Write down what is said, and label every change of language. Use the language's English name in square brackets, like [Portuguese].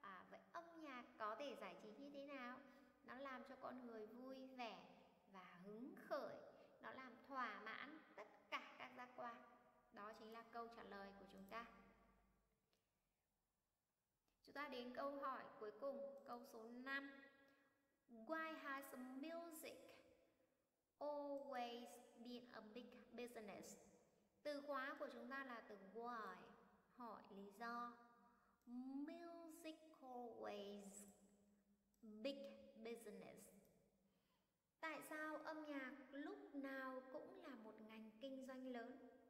[Vietnamese] Vậy âm nhạc có thể giải trí như thế nào? Nó làm cho con người vui vẻ và hứng khởi. Nó làm thỏa mãn tất cả các giác quan. Đó chính là câu trả lời của chúng ta. Chúng ta đến câu hỏi cuối cùng, câu số 5. [English] Why has music always been a big business? [Vietnamese] Từ khóa của chúng ta là từ why. Hỏi lý do. [English] Music always big business. [Vietnamese] Tại sao âm nhạc lúc nào cũng là một ngành kinh doanh lớn?